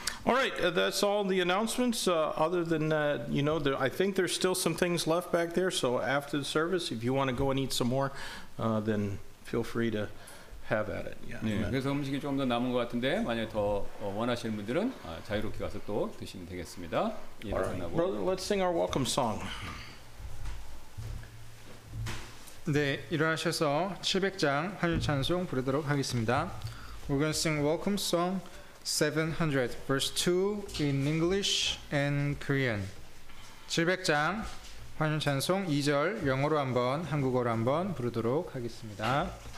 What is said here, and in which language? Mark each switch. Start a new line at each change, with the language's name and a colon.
English: All right, that's all the announcements. Other than that, you know, I think there's still some things left back there. So after the service, if you want to go and eat some more, then feel free to have at it.
Korean: Yeah. 네, 그래서 음식이 조금 더 남은 것 같은데 만약에 더 원하시는 분들은 자유롭게 가서 또 드시면 되겠습니다.
English: All right, brother, let's sing our welcome song.
Korean: 네, 일어나셔서 700장 한일 찬송 부르도록 하겠습니다.
English: We're going to sing welcome song 700 verse 2 in English and Korean.
Korean: 700장 한일 찬송 2절 영어로 한번 한국어로 한번 부르도록 하겠습니다.